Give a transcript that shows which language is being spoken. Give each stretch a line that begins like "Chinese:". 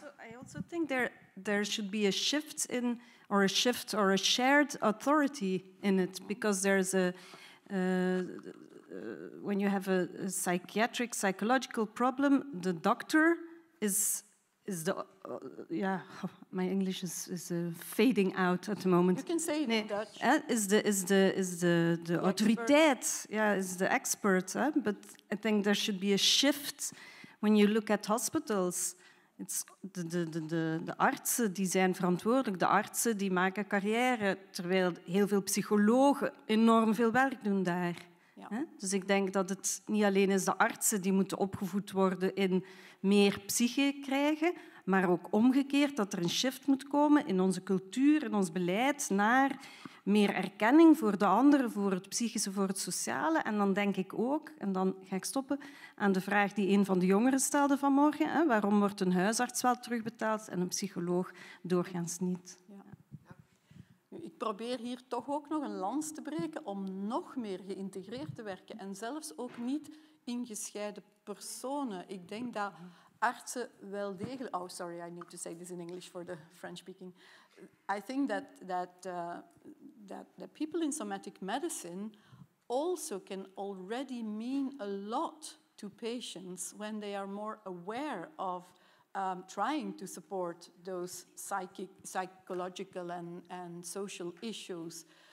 English: I also think there should be a shift in, or a shift or a shared authority in it, because there's a when you have a psychiatric, psychological problem, the doctor is the my English is fading out at the moment. You can say it in Dutch. Is the autoriteit, is the expert. But I think there should be a shift when you look at hospitals. It's
Dutch: de artsen die zijn verantwoordelijk. De artsen die maken carrière, terwijl heel veel psychologen enorm veel werk doen daar. Ja. Dus ik denk dat het niet alleen is de artsen die moeten opgevoed worden in meer psyche krijgen, maar ook omgekeerd, dat er een shift moet komen in onze cultuur, in ons beleid, naar meer erkenning voor de anderen, voor het psychische, voor het sociale. En dan denk ik ook, en dan ga ik stoppen, aan de vraag die een van de jongeren stelde vanmorgen. Hè, waarom wordt een huisarts wel terugbetaald en een psycholoog doorgaans niet? Ik probeer hier toch ook nog een lans te breken om nog meer geïntegreerd te werken. En zelfs ook niet in gescheiden personen. Ik denk dat artsen wel degelijk...
English: Oh, sorry, I need to say this in English for the French speaking. I think that people in somatic medicine also can already mean a lot to patients when they are more aware of trying to support those psychological and social issues.